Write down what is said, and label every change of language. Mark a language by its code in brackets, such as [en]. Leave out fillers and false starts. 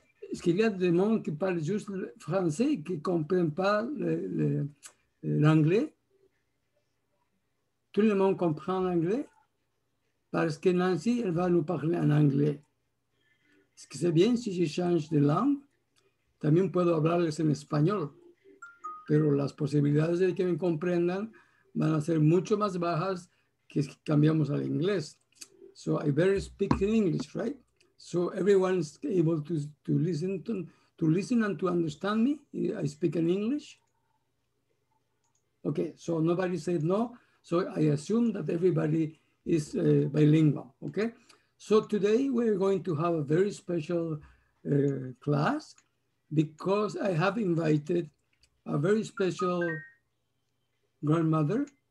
[fr] Est-ce qu'il y a des gens qui parlent juste le français, qui ne comprennent pas l'anglais? Tout le monde comprend l'anglais? Parce que Nancy, elle va nous parler en anglais. Est-ce que c'est bien si je change de langue? [es] También puedo hablarles en español, pero las posibilidades de que me comprendan van a ser mucho más bajas que si cambiamos al inglés. [en] So I better speak in English, right? So everyone's able to listen and to understand me. I speak in English. Okay, so nobody said no. So I assume that everybody is bilingual, okay? So today we're going to have a very special class, because I have invited a very special grandmother.